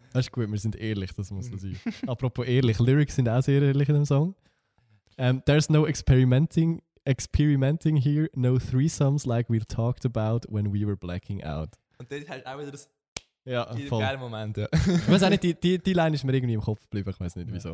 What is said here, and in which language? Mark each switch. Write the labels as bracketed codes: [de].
[de] Das ist gut, wir sind ehrlich, das muss man sein. Apropos ehrlich, Lyrics sind auch sehr ehrlich in dem Song. [en] There's no experimenting here, no threesomes like we talked about when we were blacking out. [de] Und das ist halt auch wieder das ja, geile Moment. Ja. Ich weiß auch nicht, die Line ist mir irgendwie im Kopf geblieben, ich weiß nicht wieso.